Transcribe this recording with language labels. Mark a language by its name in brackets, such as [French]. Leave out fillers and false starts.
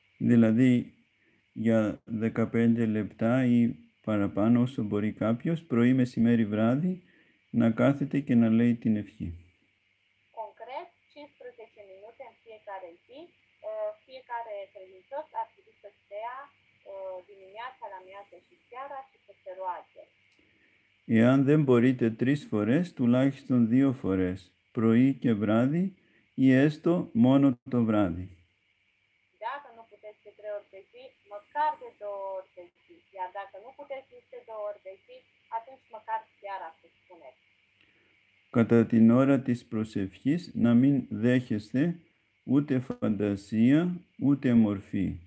[Greek] Δηλαδή, για 15 λεπτά ή παραπάνω, όσο μπορεί κάποιος, πρωί, μεσημέρι, βράδυ, να κάθεται και να λέει την ευχή. [Romanian] Concret, 15 minute în fiecare zi, fiecare credincios ar trebui să stea dimineața, la miază și seara și să se roage. [Greek] Εάν δεν μπορείτε τρεις φορές, τουλάχιστον δύο φορές, πρωί και βράδυ ή έστω μόνο το βράδυ. [Romanian] Dacă nu puteți de trei ori pe zi, măcar de două ori pe zi. Iar dacă nu puteți de două ori pe zi, atunci măcar seara, să spuneți. [Greek] Κατά την ώρα της προσευχής, να μην δέχεστε ούτε φαντασία, ούτε μορφή.